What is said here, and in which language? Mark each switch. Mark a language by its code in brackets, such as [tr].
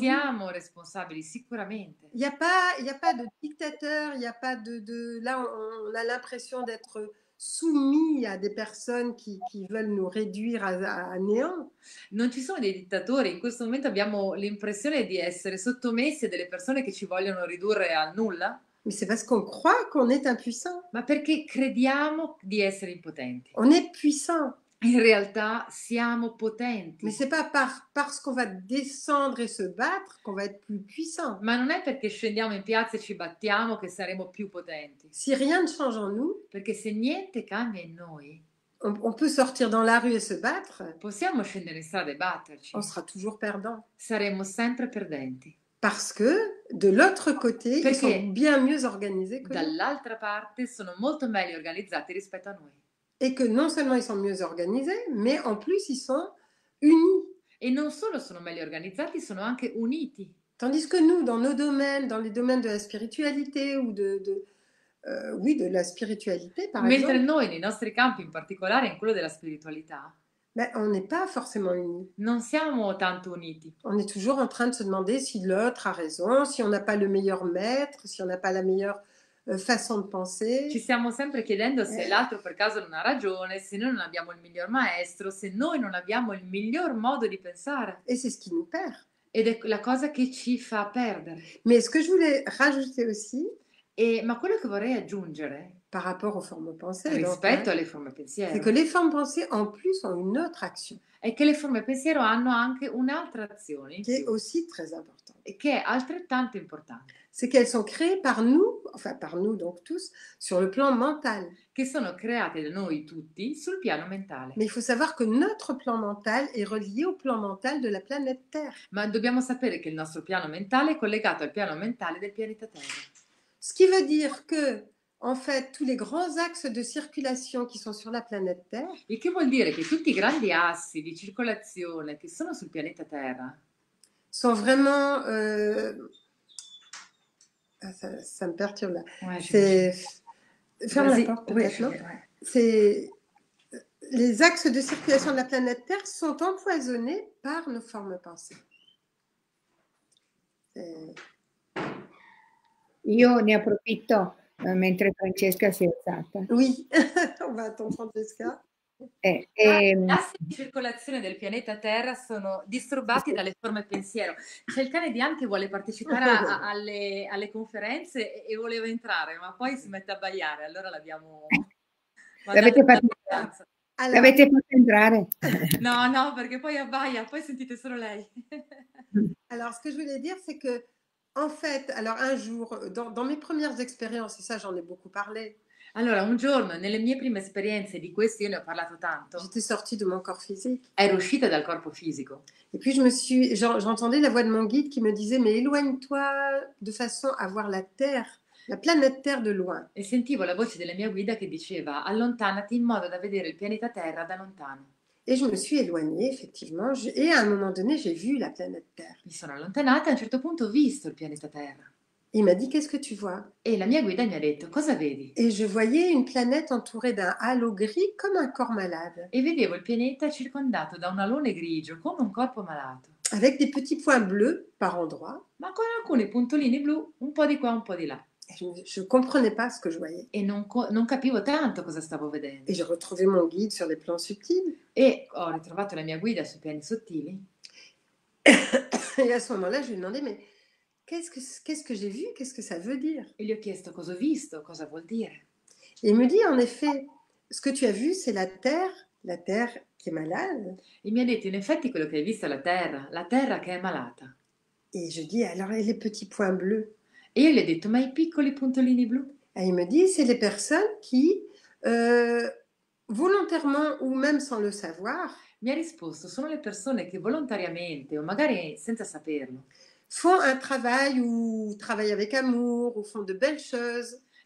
[it] Siamo responsabili sicuramente. [fr] Il y a pas de dictateur, il y a pas de là on a l'impression d'être soumis à des personnes qui veulent nous réduire à néant. [it] Non ci sono dei dittatori, in questo momento abbiamo l'impressione di essere sottomessi a delle persone che ci vogliono ridurre a nulla. [fr] Mais c'est parce qu'on croit qu'on est impuissant. [it] Ma perché crediamo di essere impotenti. [fr] On est puissant. [it] In realtà siamo potenti. [fr] Mais c'est pas parce qu'on va descendre et se battre qu'on va être plus puissant. [it] Ma non è perché scendiamo in piazza e ci battiamo che saremo più potenti. [fr] Si rien ne change en nous, [it] perché se niente cambia in noi, [fr] on peut sortir dans la rue et se battre. [it] Possiamo scendere in strada e batterci. [fr] On sera toujours perdant. [it] Saremo sempre perdenti. [fr] Parce que de l'autre côté, [it] perché [fr] ils sont bien mieux organisés que [it] dall'altra parte sono molto meglio organizzati rispetto a noi. [fr] Et que non seulement ils sont mieux organisés, mais en plus ils sont unis. [it] E non solo sono meglio organizzati, sono anche uniti. [fr] Tandis que nous, dans nos domaines, dans les domaines de la spiritualité ou de la spiritualité, par [it] mentre [fr] exemple, [it] noi nei nostri campi, in particolare in quello della spiritualità, [fr] Mais on n'est pas forcément unis. [it] Non siamo tanto uniti. [fr] On est toujours en train de se demander si l'autre a raison, si on n'a pas le meilleur maître, si on n'a pas la meilleure façon de penser. [it] Ci stiamo sempre chiedendo se l'altro per caso non ha ragione, se noi non abbiamo il miglior maestro, se noi non abbiamo il miglior modo di pensare. [fr] Et c'est ce qui nous perd. [it] Ed è la cosa che ci fa perdere. [fr] Mais ce que je voulais rajouter aussi, [it] ma quello che vorrei aggiungere [fr] par rapport aux formes pensées, [it] rispetto alle forme pensiero, [fr] c'est que les formes pensées en plus ont une autre action. [it] È che le forme pensiero hanno anche un'altra azione, che è [fr] aussi très important. [it] E che è altrettanto importante. [fr] C'est qu'elles sont créées par nous, enfin par nous donc tous, sur le plan mental. [it] Che sono create da noi tutti sul piano mentale. [fr] Mais il faut savoir que notre plan mental est relié au plan mental de la planète Terre. [it] Ma dobbiamo sapere che il nostro piano mentale è collegato al piano mentale del pianeta Terra. [fr] Ce qui veut dire que, en fait, tous les grands axes de circulation qui sont sur la planète Terre. [it] Et che vuol dire che tutti i grandi assi di circolazione che sono sul pianeta Terra [fr] sont vraiment. Ça me perturbe là. Ouais, ferme la porte, peut-être, non? C'est les axes de circulation de la planète Terre sont empoisonnés par nos formes pensées. [it] Io ne approfitto mentre Francesca si è alzata. [fr] Oui, on va attendre Francesca. [it] Gli assi di circolazione del pianeta Terra sono disturbati dalle forme pensiero. C'è il cane di Anne che vuole partecipare alle conferenze e voleva entrare, ma poi si mette a abbaiare. Allora l'abbiamo. L'avete fatto entrare? No, perché poi abbaia, poi sentite solo lei. [fr] Allora, ce que je voulais dire, c'est que. En fait, alors un jour, dans mes premières expériences, et ça j'en ai beaucoup parlé. [it] Allora, un giorno, nelle mie prime esperienze di questo io ne ho parlato tanto. [fr] J'étais sortie de mon corps physique. [it] Ero uscita dal corpo fisico. [fr] Et puis j'entendais la voix de mon guide qui me disait mais éloigne-toi de façon à voir la Terre, la planète Terre de loin. [it] E sentivo la voce della mia guida che diceva allontanati in modo da vedere il pianeta Terra da lontano. [fr] Et je me suis éloignée, effectivement, et à un moment donné, j'ai vu la planète Terre. [it] Mi sono allontanata e a un certo punto ho visto il pianeta Terra. [fr] Il m'a dit, qu'est-ce que tu vois? [it] Et la mia guida mi ha detto, cosa vedi? [fr] Et je voyais une planète entourée d'un halo gris comme un corps malade. [it] E vedevo il pianeta circondato da un alone grigio, come un corpo malato. [fr] Avec des petits points bleus par endroit. [it] Ma con alcune puntoline blu, un po' di qua, un po' di là. [fr] Je ne comprenais pas ce que je voyais. [it] Et non capivo tanto cosa stavo vedendo. [fr] Et j'ai retrouvé mon guide sur les plans subtils. [it] Et ho ritrovato la mia guida sui piani sottili. [fr] Et à ce moment-là, je lui ai demandé, mais qu'est-ce que j'ai vu? Qu'est-ce que ça veut dire? [it] E gli ho chiesto, cosa ho visto? Cosa vuol dire? [fr] Et il me dit, en effet, ce que tu as vu, c'est la terre qui est malade. [it] Et mi ha detto, in effetti, quello che hai visto è la terra che è malata. [fr] Et je dis, alors, et les petits points bleus? [it] E io gli ho detto, ma i piccoli puntolini blu? E il mi dice, [fr] c'est les personnes qui, volontairement ou même sans le savoir, [it] mi ha risposto, sono le persone che volontariamente o magari senza saperlo, [fr] font un travail ou travaillent avec amour ou font de belles choses.